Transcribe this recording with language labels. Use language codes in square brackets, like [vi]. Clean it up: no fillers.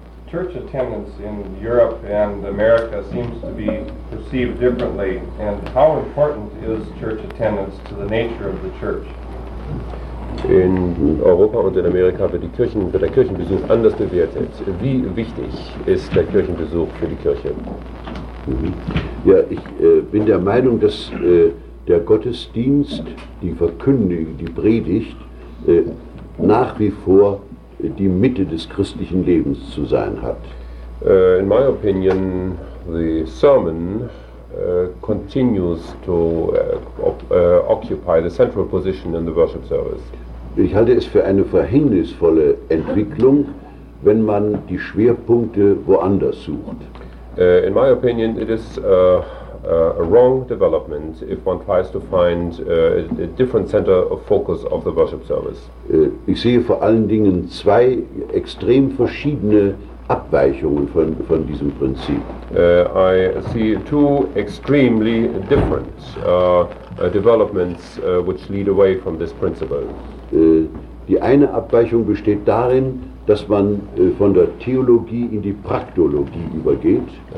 [en] Church attendance in Europe and America seems to be perceived differently. And how important is church attendance to the nature of the church? [de] In Europa und in Amerika wird der Kirchenbesuch anders bewertet. Wie wichtig ist der Kirchenbesuch für die Kirche? Ja, ich bin der Meinung, dass der Gottesdienst, die Verkündigung, die Predigt nach wie vor die Mitte des christlichen Lebens zu sein hat. [en] In my opinion, the sermon continues to occupy the central position in the worship service. [de] Ich halte es für eine verhängnisvolle Entwicklung, wenn man die Schwerpunkte woanders sucht. [en] In my opinion, it is a wrong development if one tries to find a different center of focus of the worship service. [de] Ich sehe vor allen Dingen zwei extrem verschiedene Abweichungen von diesem Prinzip. [en] I see two extremely different developments which lead away from this principle. [de] Die eine Abweichung besteht darin, dass man von der Theologie in die Praktologie übergeht.